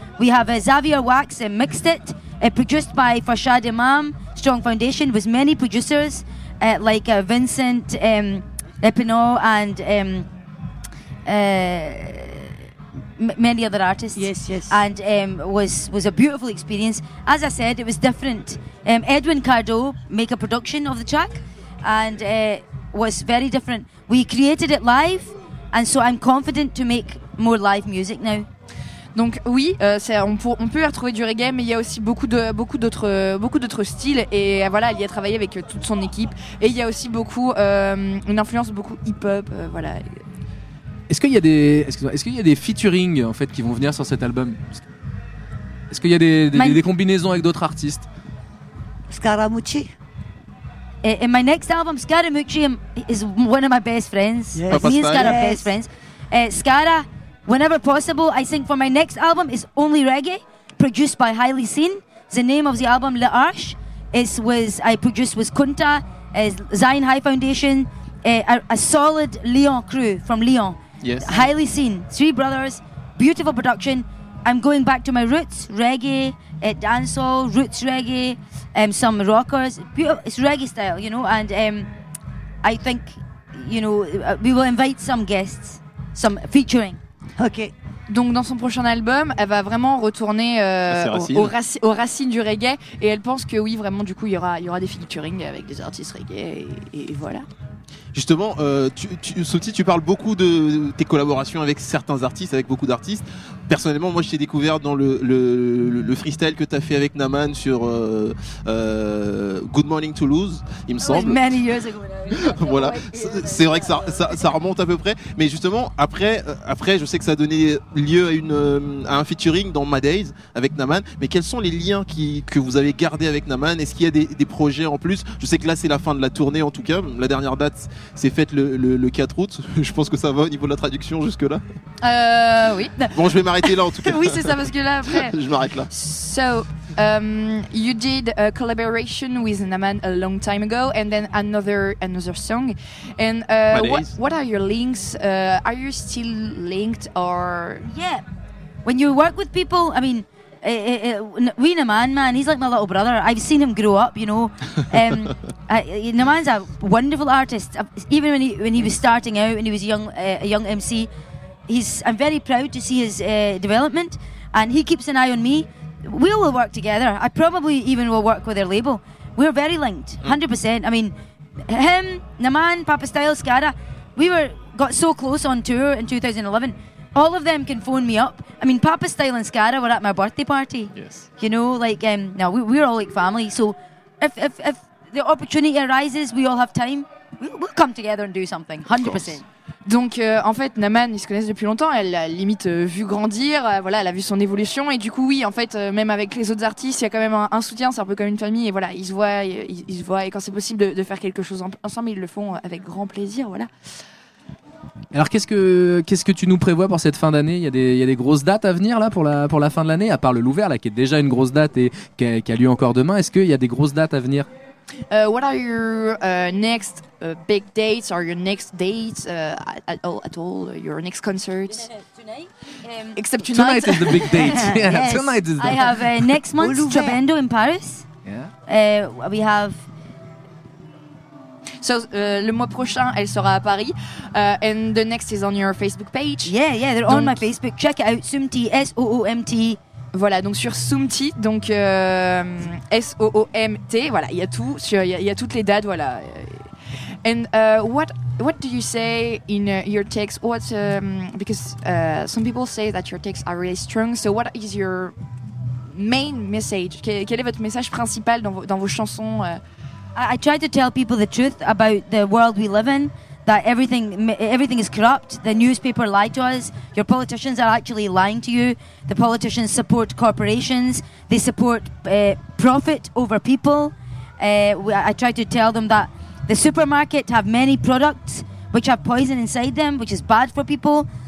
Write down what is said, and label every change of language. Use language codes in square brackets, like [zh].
[en] We have Xavier Wax mixed it, produced by Farshad Imam, Strong Foundation, with many producers like Vincent Epinot and many other artists. Yes, yes. And was a beautiful experience. As I said, it was different. Edwin Cardo make a production of the track, and was very different. We created it live, and so I'm confident to make more live music now. [fr] Donc oui, on peut y retrouver du reggae, mais il y a aussi beaucoup d'autres styles. Et voilà, elle y a travaillé avec toute son équipe. Et il y a aussi beaucoup une influence beaucoup hip-hop. Voilà. Est-ce qu'il y a des featuring en fait qui vont venir sur cet album? Est-ce qu'il y a des combinaisons avec d'autres artistes? [en] Scaramucci. In my next album, Scaramucci is one of my best friends. Yes. Me and Scara are best friends. Scara, whenever possible, I think for my next album is only reggae, produced by Haile Sin. The name of the album, Le Arche, I produced with Kunta, Zion High Foundation, a solid Lyon crew from Lyon. Yes. Haile Sin, three brothers, beautiful production. I'm going back to my roots, reggae, dancehall, roots reggae, some rockers. It's reggae style, you know, and I think, you know, we will invite some guests, some featuring. Ok. [fr] Donc dans son prochain album, elle va vraiment retourner aux racines du reggae, et elle pense que oui, vraiment, du coup, il y aura des featuring avec des artistes reggae, et voilà. Justement, Sauti, tu parles beaucoup de tes collaborations avec certains artistes, avec beaucoup d'artistes. Personnellement, moi, je t'ai découvert dans le freestyle que tu as fait avec Naman sur Good Morning Toulouse, il me semble. [en] Many years ago. [fr] Voilà, c'est vrai que ça remonte à peu près. Mais justement, après, je sais que ça a donné lieu à un featuring dans My Days avec Naman. Mais quels sont les liens que vous avez gardés avec Naman? Est-ce qu'il y a des projets en plus? Je sais que là, c'est la fin de la tournée, en tout cas. La dernière date, c'est faite le 4 août. Je pense que ça va au niveau de la traduction jusque-là. Oui. Bon, je vais m'arrêter là, en tout cas. Oui, c'est ça, parce que là, après... Je m'arrête là. [en] So... you did a collaboration with Naman a long time ago, and then another song. And what are your links? Are you still linked, or yeah? When you work with people, I mean, we Naman, man, he's like my little brother. I've seen him grow up, you know. Naman's a wonderful artist. Even when he was starting out, and he was a young MC, I'm very proud to see his development, and he keeps an eye on me. We will work together. I probably even will work with their label. We're very linked, 100%. I mean, him, Naman, Papa Style, Scara, we got so close on tour in 2011. All of them can phone me up. I mean, Papa Style and Scara were at my birthday party. Yes. You know, like, we're all like family. So if the opportunity arises, we all have time, we'll come together and do something, 100%. [fr] Donc en fait Naman, ils se connaissent depuis longtemps, elle l'a limite vu grandir, voilà, elle a vu son évolution, et du coup oui, en fait, même avec les autres artistes, il y a quand même un soutien, c'est un peu comme une famille, et voilà, ils se voient, et quand c'est possible de faire quelque chose ensemble, ils le font avec grand plaisir, voilà. Alors qu'est-ce que tu nous prévois pour cette fin d'année? Il y a des grosses dates à venir là pour la fin de l'année, à part le Louvert là, qui est déjà une grosse date et qui a lieu encore demain. Est-ce qu'il y a des grosses dates à venir? [en] What are your next big dates, or your next dates at all, your next concerts? Except tonight is the big date. Yeah, yes. Tonight is the I have next month Trabendo in Paris. Yeah. We have. [fr] So, le mois prochain, elle sera à Paris. [en] And the next is on your Facebook page. Yeah, yeah, they're on my Facebook. Check it out, Soomti, Soomt. [fr] Voilà, donc sur Soomti, donc Soomt, voilà, il y a tout, il y a toutes les dates, voilà. [en] And what do you say in your text? Because some people say that your texts are really strong. So what is your main message? [fr] Quel est votre message principal dans vos chansons? [en] I try to tell people the truth about the world we live in. That everything is corrupt. The newspaper lied to us. Your politicians are actually lying to you. The politicians support corporations. They support profit over people. I try to tell them that the supermarket have many products which have poison inside them, which is bad for people.